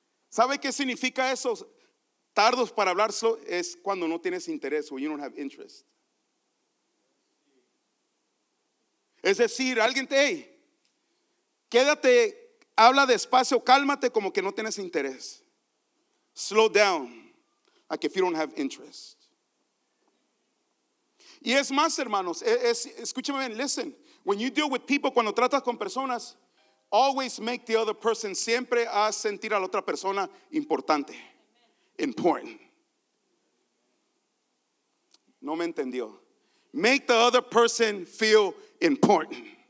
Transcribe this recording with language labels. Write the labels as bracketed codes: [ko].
[es] ¿Sabe qué significa eso? Tardos para hablar es cuando no tienes interés, [en] when you don't have interest. [es] Es decir, alguien te, hey, quédate, habla despacio, cálmate como que no tienes interés. [en] Slow down, like if you don't have interest. [es] Y es más, hermanos, escúchame bien, listen. [en] When you deal with people, [es] cuando tratas con personas, [en] always make the other person, [es] siempre haz sentir a la otra persona importante. Important. No me entendió. [en] Make the other person feel important.